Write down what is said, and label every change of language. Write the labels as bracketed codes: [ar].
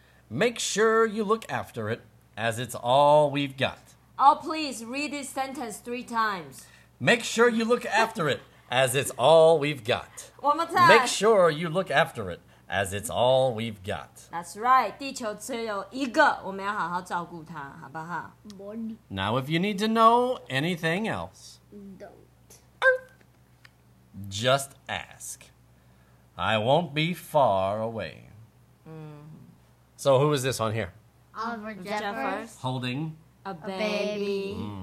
[en] Make sure you look after it, as it's all we've got. Oh, please, read this sentence 3 times. Make sure you look after it, as it's all we've got. One more time. Make sure you look after it, as it's all we've got. That's right. [zh] 地球只有一个, 我们要好好照顾它, 好不好? [en] Now, if you need to know anything else, don't. Just ask. I won't be far away. So, who is this on here? Oliver Jeffers. Holding a baby.